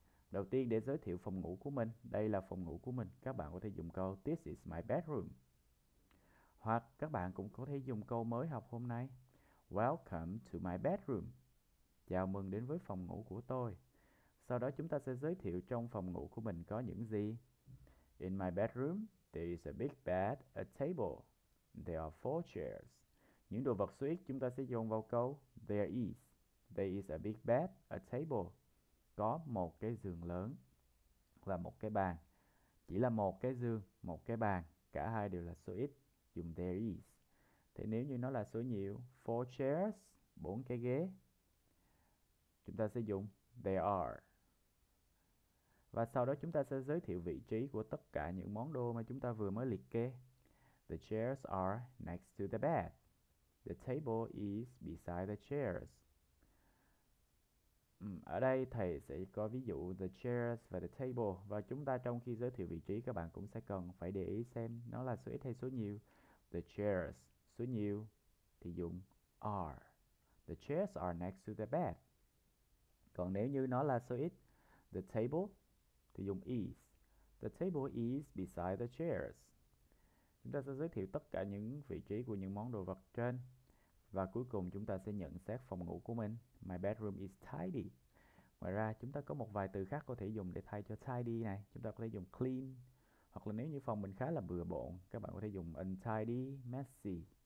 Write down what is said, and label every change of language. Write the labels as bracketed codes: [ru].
[vi] Đầu tiên để giới thiệu phòng ngủ của mình, đây là phòng ngủ của mình. Các bạn có thể dùng câu [en] This is my bedroom. [vi] Hoặc các bạn cũng có thể dùng câu mới học hôm nay. [en] Welcome to my bedroom. [vi] Chào mừng đến với phòng ngủ của tôi. Sau đó chúng ta sẽ giới thiệu trong phòng ngủ của mình có những gì. [en] In my bedroom, there is a big bed, a table. There are four chairs. [vi] Những đồ vật số ít chúng ta sẽ dùng vào câu there is. [en] There is a big bed, a table. [vi] Có một cái giường lớn và một cái bàn. Chỉ là một cái giường, một cái bàn. Cả hai đều là số ít. Dùng there is. Thế nếu như nó là số nhiều, [en] four chairs, [vi] bốn cái ghế, chúng ta sẽ dùng there are. Và sau đó chúng ta sẽ giới thiệu vị trí của tất cả những món đồ mà chúng ta vừa mới liệt kê. [en] The chairs are next to the bed. The table is beside the chairs. [vi] Ở đây thầy sẽ có ví dụ the chairs và the table. Và chúng ta trong khi giới thiệu vị trí, các bạn cũng sẽ cần phải để ý xem nó là số ít hay số nhiều. The chairs, số nhiều thì dùng are. [en] The chairs are next to the bed. [vi] Còn nếu như nó là số ít, the table thì dùng is. [en] The table is beside the chairs. [vi] Chúng ta sẽ giới thiệu tất cả những vị trí của những món đồ vật trên. Và cuối cùng chúng ta sẽ nhận xét phòng ngủ của mình. [en] My bedroom is tidy. [vi] Ngoài ra chúng ta có một vài từ khác có thể dùng để thay cho tidy này. Chúng ta có thể dùng clean. Hoặc là nếu như phòng mình khá là bừa bộn, các bạn có thể dùng untidy, messy.